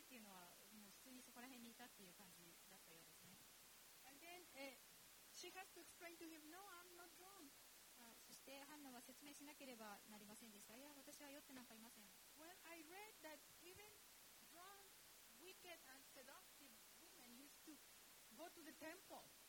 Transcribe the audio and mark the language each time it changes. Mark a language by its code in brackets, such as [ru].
[ja] っていうのはもう普通にそこら辺にいたっていう感じだったようですね。 [en] And then, she has to explain to him, "No, I'm not drunk." [ja] そしてハンナは説明しなければなりませんでした。いや、私は酔ってなんかいません。 [en] Well, I read that even drunkWicked and seductive women used to go to the temple.